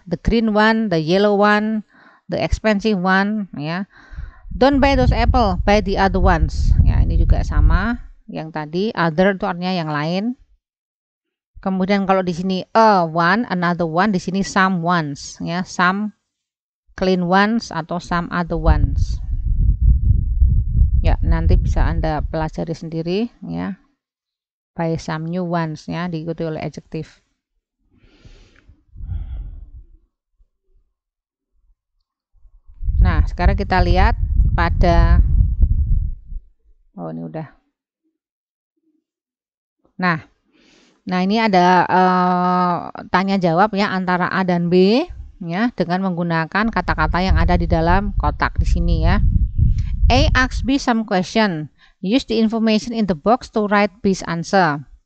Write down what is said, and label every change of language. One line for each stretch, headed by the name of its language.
English: The green one, the yellow one, the expensive one ya. Don't buy those apple, buy the other ones.
Indonesian: Ya, ini juga sama yang tadi, other itu artinya yang lain. Kemudian kalau di sini a one, another one, di sini some ones ya, some clean ones atau some other ones. Ya, nanti bisa Anda pelajari sendiri ya.
English: By some new ones
Indonesian: ya, diikuti oleh adjective. Nah, sekarang kita lihat pada oh ini udah. Nah ini ada tanya jawab ya antara A dan B ya dengan menggunakan kata-kata yang ada di dalam kotak di sini ya.
English: A asks B some question. Use the information in the box to write B's answer.